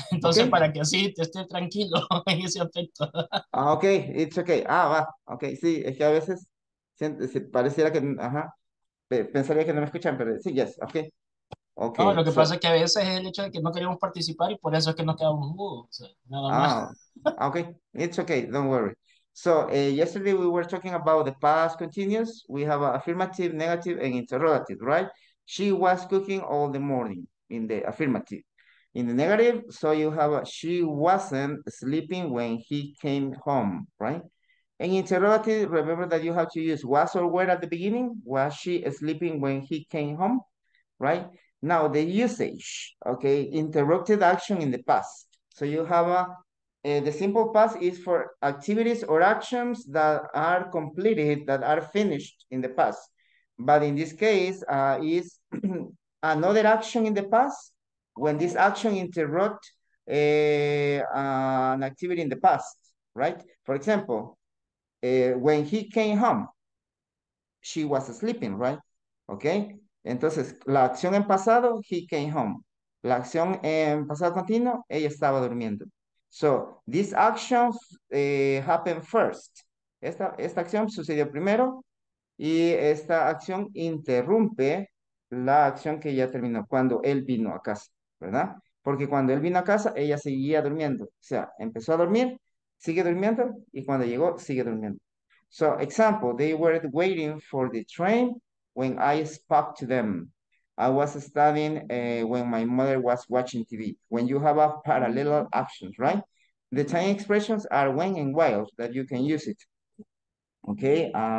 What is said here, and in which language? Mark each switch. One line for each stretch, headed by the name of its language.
Spanish: Entonces, okay, para que así te esté tranquilo en ese aspecto.
English: Ok, it's okay.
Spanish: Ok, sí, es que a veces pareciera que, pensaría que no me escuchan, pero sí, yes, ok.
English: Okay.
Spanish: No, lo que pasa es que a veces es el hecho de que no queremos participar y por eso es que nos quedamos mudos. O sea, nada más.
English: Ok, it's okay, don't worry. So, yesterday we were talking about the past continuous. We have affirmative, negative, and interrogative, right? She was cooking all the morning in the affirmative. In the negative, so you have she wasn't sleeping when he came home, right? In interrogative, remember that you have to use was or were at the beginning. Was she sleeping when he came home, right? Now, the usage, okay? Interrupted action in the past. So you have the simple past is for activities or actions that are completed, that are finished in the past. But in this case, is another action in the past when this action interrupts an activity in the past, right? For example, when he came home, she was sleeping, right?
Spanish: Okay, entonces, la acción en pasado,
English: he came home.
Spanish: La acción en pasado continuo, ella estaba durmiendo.
English: So, this action happened first.
Spanish: Esta acción sucedió primero y esta acción interrumpe la acción que ya terminó cuando él vino a casa, ¿verdad? Porque cuando él vino a casa, ella seguía durmiendo. O sea, empezó a dormir, sigue durmiendo y cuando llegó, sigue durmiendo.
English: So, example, they were waiting for the train when I spoke to them. I was studying when my mother was watching TV. When you have a parallel actions, right? The time expressions are when and while that you can use it. Okay.